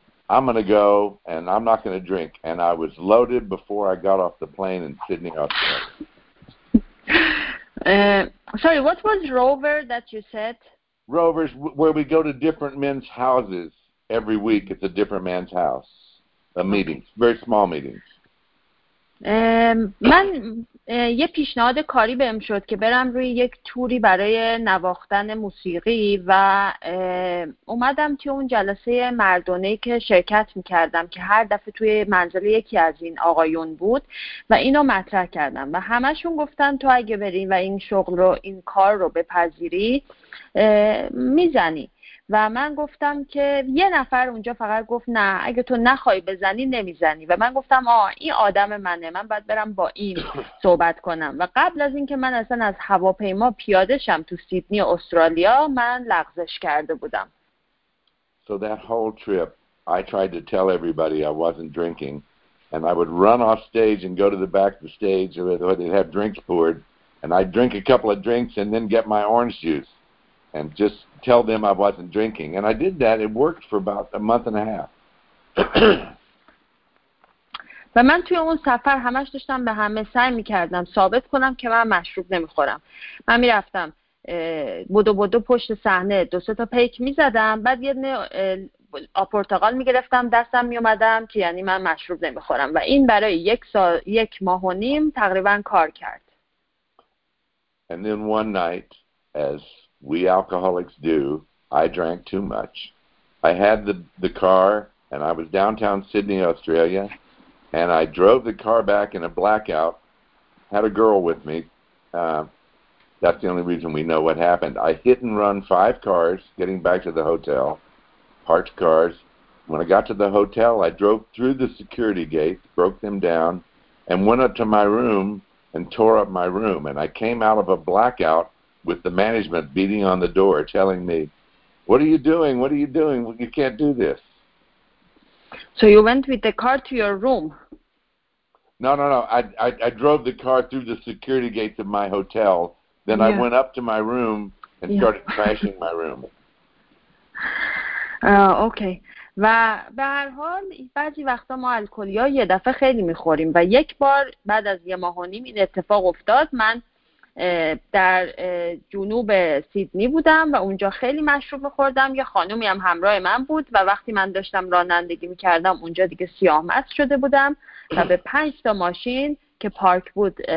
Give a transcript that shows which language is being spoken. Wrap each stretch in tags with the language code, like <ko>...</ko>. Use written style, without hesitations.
<en>I'm going to go, and I'm not going to drink. And I was loaded before I got off the plane in Sydney, Australia. Sorry, what was Rover that you said? Rover's where we go to different men's houses every week. It's a different man's house, a meeting, very small meetings.</en> <fa>من یه پیشنهاد کاری بهم شد که برم روی یک توری برای نواختن موسیقی و اومدم توی اون جلسه مردانه‌ای که شرکت می‌کردم که هر دفعه توی منزل یکی از این آقایون بود و اینو مطرح کردم و همه‌شون گفتن تو اگه بری و این شغل رو این کار رو بپذیری می‌زنی و من گفتم که یه نفر اونجا فقط گفت نه اگه تو نخوای بزنی نمیزنی و من گفتم این آدم منه، من باید برم با این صحبت کنم و قبل از اینکه من اصلا از هواپیما پیاده شم تو سیدنی استرالیا من لغزش کرده بودم.</fa> <en>So that whole trip I tried to tell everybody I wasn't drinking and I would run off stage and go to the back of the stage where they'd have drinks poured and I'd drink a couple of drinks and then get my orange juice and just tell them I wasn't drinking. And I did that. It worked for about a month and a half.</en> <fa>و من توی اون سفر همش داشتم به همه سعی میکردم ثابت کنم که من مشروب نمیخورم. من میرفتم بودو بودو پشت صحنه دو سه تا پیک میزدم، بعد یه دونه آپورتقال میگرفتم دستم میومدم که یعنی من مشروب نمیخورم و این برای یک ماه و نیم تقریبا کار کرد.</fa> <en>And then one night, as we alcoholics do, I drank too much. I had the car, and I was downtown Sydney, Australia, and I drove the car back in a blackout, had a girl with me. That's the only reason we know what happened. I hit and run 5 cars getting back to the hotel, parked cars. When I got to the hotel, I drove through the security gate, broke them down, and went up to my room and tore up my room, and I came out of a blackout with the management beating on the door telling me, what are you doing? What are you doing? You can't do this. So you went with the car to your room? No. I drove the car through the security gates of my hotel. Then I went up to my room and started crashing my room. Okay.</en> <fa>و به هر حال بعضی وقتا ما الکلی ها یه دفعه خیلی میخوریم و یک بار بعد از یه ماه و نیم این اتفاق افتاد. من در جنوب سیدنی بودم و اونجا خیلی مشروب خوردم، یه خانومی هم همراه من بود و وقتی من داشتم رانندگی میکردم اونجا دیگه سیاه مست شده بودم و به 5 تا ماشین که پارک بود</fa>